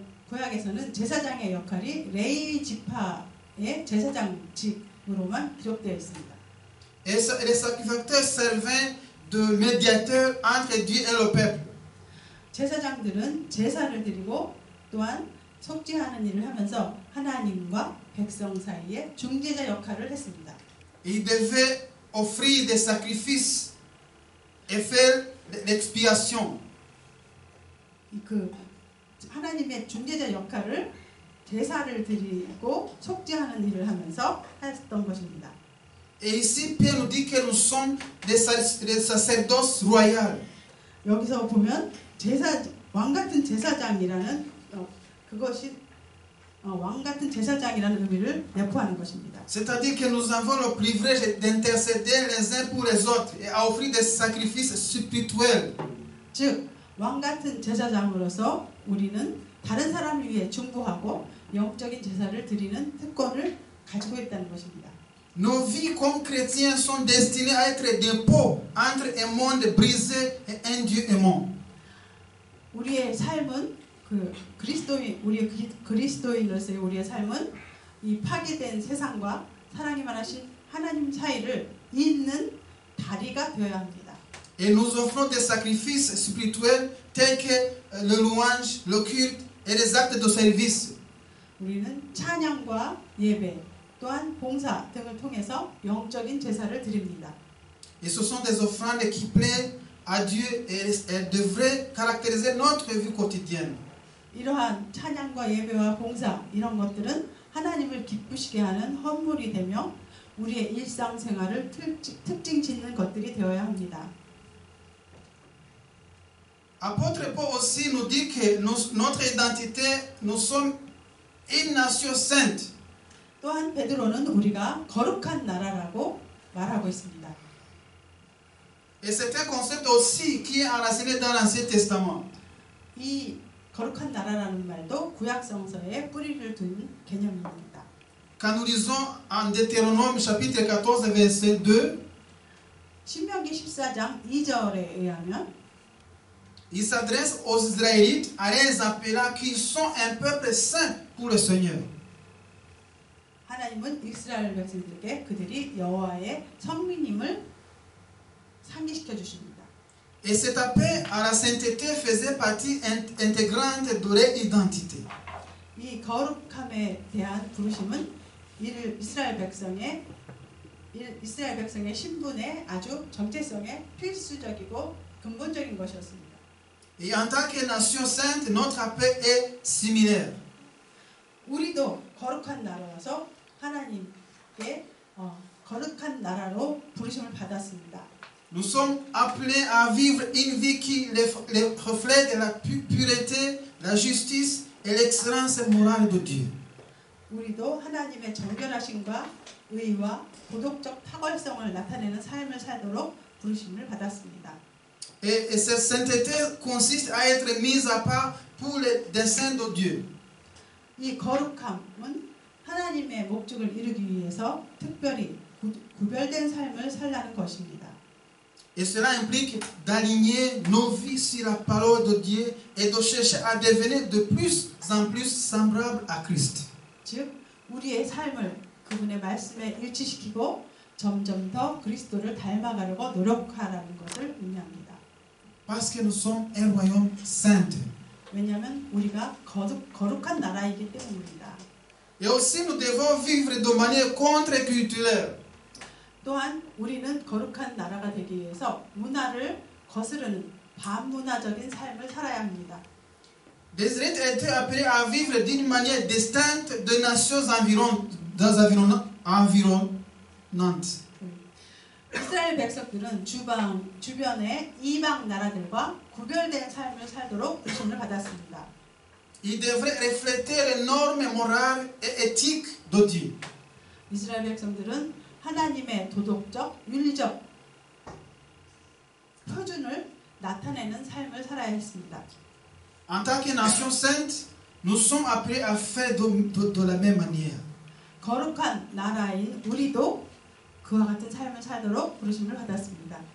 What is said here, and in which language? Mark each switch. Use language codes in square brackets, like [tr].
[ko] 구약에서는 제사장의 역할이 레위 지파의 제사장 직으로만 기록되어 있습니다. [fr] Et les sacrificateurs servaient de médiateurs entre Dieu et le peuple. [ko] 제사장들은 제사를 드리고 또한 속죄하는 일을 하면서 하나님과 백성 사이에 중재자 역할을 했습니다. [fr] Il devait offrir des sacrifices et faire l'expiation. [ko] 그 하나님의 중재자 역할을 제사를 드리고 속죄하는 일을 하면서 했던 것입니다. [fr] Et ici Pierre nous dit que nous sommes des sacerdotes royaux. [ko] 여기서 보면 제사 왕 같은 제사장이라는 그것이 왕 같은 제사장이라는 의미를 내포하는 것입니다. [fr] C'est-à-dire que nous avons le privilège d'intercéder les uns pour les autres et à offrir des sacrifices spirituels. [ko] 즉 왕 같은 제사장으로서 우리는 다른 사람을 위해 중보하고 영적인 제사를 드리는 특권을 가지고 있다는 것입니다. [fr] Nos vies comme chrétiens sont destinées à être des ponts entre un monde brisé et un Dieu aimant. [ko] 우리의 삶은 그 그리스도인 우리의 그리스도인으로서의 우리의 삶은 이 파괴된 세상과 사랑이 많으신 하나님 사이를 잇는 다리가 되어야 합니다. [fr] Et nous offrons des sacrifices spirituels tels que le louange, le culte et les actes de service. [ko] 우리는 찬양과 예배 또한 봉사 등을 통해서 영적인 제사를 드립니다. [fr] Et ce sont des offrandes qui plaisent à Dieu et elle devrait caractériser notre vie quotidienne. [ko] 이러한 찬양과 예배와 봉사 이런 것들은 하나님을 기쁘시게 하는 헌물이 되며 우리의 일상생활을 특징 짓는 것들이 되어야 합니다. [fr] Apôtre Paul aussi nous dit que notre identité, nous sommes une nation sainte. [ko] 또한 베드로는 우리가 거룩한 나라라고 말하고 있습니다. [fr] Et c'est un concept aussi qui est enraciné dans l'Ancien Testament. [ko] 이 거룩한 나라라는 말도 구약 성서에 뿌리를 둔 개념입니다. [fr] Quand nous lisons en Deutéronome chapitre 14 verset 2, [ko] 신명기 14장 2절에 의하면 [fr] Il s'adresse aux Israélites en les appelant qu'ils sont un peuple saint pour le Seigneur. [ko] 하나님은 이스라엘 백성들에게 그들이 여호와의 성민임을 상기시켜 주십니다. [fr] Et cet appel à la sainteté faisait partie intégrante de leur identité. [ko] 이 거룩함에 대한 부르심은 이스라엘 백성의 이스라엘 백성의 신분의 아주 정체성에 필수적이고 근본적인 것이었습니다. [fr] Et en tant que nation sainte, notre appel est similaire. [ko] 우리도 거룩한 나라라서 하나님께 거룩한 나라로 부르심을 받았습니다. [fr] Nous sommes appelés à vivre une vie qui reflète la pureté, la justice et l'excellence morale de Dieu. [ko] 우리도 하나님의 정결하심과 의와 도덕적 탁월성을 나타내는 삶을 살도록 부르심을 받았습니다. [fr] Et cette sainteté consiste à être mise à part pour le dessein de Dieu. [ko] 이 거룩함은 하나님의 목적을 이루기 위해서 특별히 구별된 삶을 살라는 것입니다. [fr] Et cela implique d'aligner nos vies sur la parole de Dieu et de chercher à devenir de plus en plus semblable à Christ. [ko] 즉, 우리의 삶을 그분의 말씀에 일치시키고 점점 더 그리스도를 닮아가려고 노력하라는 것을 의미합니다. [fr] Parce que nous sommes un royaume saint. [ko] 왜냐하면 우리가 거룩한 나라이기 때문입니다. [fr] Et aussi nous devons vivre de manière contre-culturelle. [ko] 또한 우리는 거룩한 나라가 되기 위해서 문화를 거스르는 반문화적인 삶을 살아야 합니다. [fr] Les Israélites étaient appelés à vivre d'une manière distincte des nations environnantes. [ko] 이스라엘 백성들은 주변의 이방 나라들과 구별된 삶을 살도록 부르심을 받았습니다. [fr] Il devrait refléter les normes morales et éthiques de Dieu. [ko] 이스라엘 백성들은 하나님의 도덕적, 윤리적 표준을 나타내는 삶을 살아야 했습니다. [fr] En tant que nation sainte, nous sommes appelés à faire de la même manière. [ko] 거룩한 나라인 우리도 그와 같은 삶을 살도록 부르심을 받았습니다.